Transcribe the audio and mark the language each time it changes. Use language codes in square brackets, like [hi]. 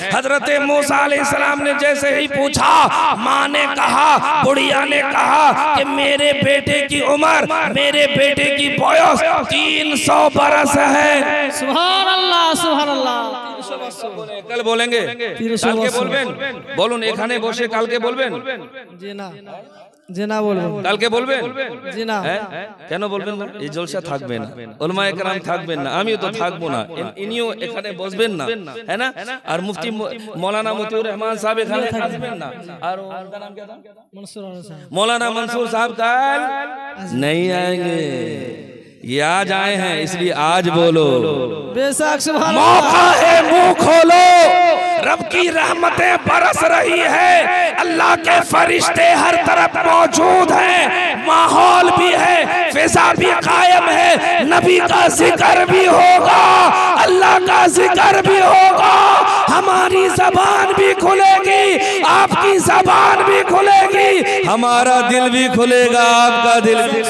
[hi] हजरत मूसा अलैहि सलाम ने जैसे ही पूछा, माँ ने कहा, बुढ़िया ने कहा कि मेरे बेटे की उम्र, मेरे बेटे की बॉयस 300 बरस है। [ar] सुभान अल्लाह सुभान अल्लाह, [bn] कल बोलेंगे, कल के बोलबेन, बोलुन एखाने बसे कल के बोलबेन, जी ना जिना बोल, कल के बोलबेन, जी ना, কেন বলবেন? এই জলসা থাকবে না, উলামায়ে কেরাম থাকবেন না, আমিও তো থাকবো না, ইনিও এখানে বসবেন না, হ্যাঁ না, আর মুফতি মাওলানা মতিউর রহমান সাহেব এখানে আসবেন না, আর ওনার নাম কি আছে? মনসুর সাহেব, [hi] মাওলানা মনসুর সাহেব কাল নেই আয়েঙ্গে, ये आज आए हैं इसलिए आज बोलो, बेशक सुभान अल्लाह, मौका है मुंह खोलो, रब की रहमतें बरस रही है, अल्लाह के फरिश्ते हर तरफ मौजूद हैं, माहौल भी है, फिजा भी कायम है, नबी का जिक्र भी होगा, अल्लाह का जिक्र भी होगा, हमारी जबान भी खुलेगी, आपकी जबान भी खुलेगी, हमारा दिल भी खुलेगा, आपका दिल भी,